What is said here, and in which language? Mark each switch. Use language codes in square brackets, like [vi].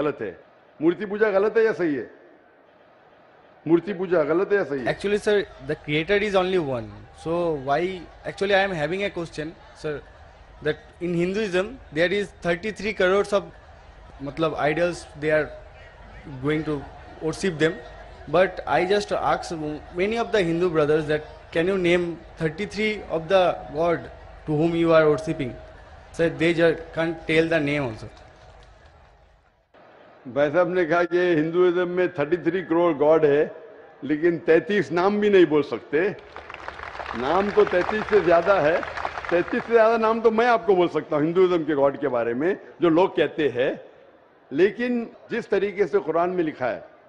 [hi] गलत है. मूर्ति पूजा गलत है या सही है? मूर्ति पूजा गलत है या सही है? [en] Actually sir, the creator is only one, so why, actually I am having a question sir, that in Hinduism there is 33 crore of, मतलब idols, they are going to worship them. But I just ask many of the Hindu brothers that can you name 33 of the God to whom you are worshipping? So they just can't tell the name also. [hi] भाई साहब ने कहा कि Hinduism में 33 crore God है, लेकिन 33 नाम भी नहीं बोल सकते. नाम तो 33 से ज्यादा है. 33 से ज्यादा नाम तो मैं आपको बोल सकता हूँ हिंदुइज्म के गॉड के बारे में जो लोग कहते हैं. लेकिन जिस तरीके से कुरान में लिखा है,